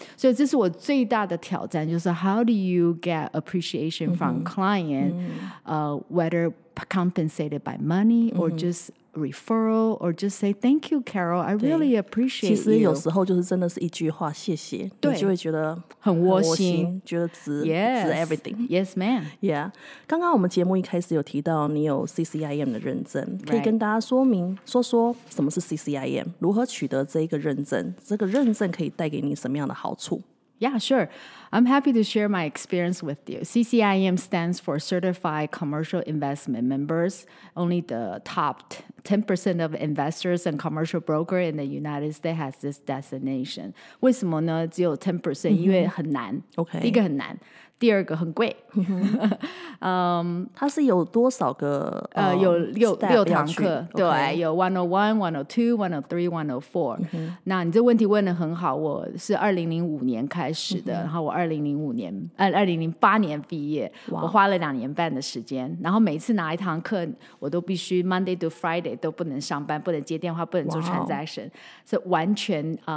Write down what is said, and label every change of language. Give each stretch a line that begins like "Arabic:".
Chinese: 所以这是我最大的挑战，就是
English: how do you get appreciation from client、whether compensated by money or just referral or just say thank you Carol I really appreciate you
Chinese: 其实有时候就是真的是一句话谢谢对你就会觉得很窝心觉得值
English: yes, everything yes ma'am、 yeah.
Chinese: 刚刚我们节目一开始有提到你有 CCIM 的认证、
English: right.
Chinese: 可以跟大家说明说说什么是 CCIM 如何取得这个认证这个认证可以带给你什么样的好处
English: Yeah, sure. I'm happy to share my experience with you. CCIM stands for Certified Commercial Investment Members. Only the top 10% of investors and commercial broker in the United States has this designation.
Chinese: 为什么呢？只有 10%、因为很难。
English: Okay.
Chinese: 第一个很难，第二个很贵。它是有多少个？有六堂课。对，有 101, 102, 103, 104、那你这问题问得很好，我是2005年开始的、然后我2008年毕业、我花了两年半的时间，然后每次拿一堂课我都必须
English: Monday to Friday
Chinese: 都不能上班，不能接电话，不能做 transaction、是完全、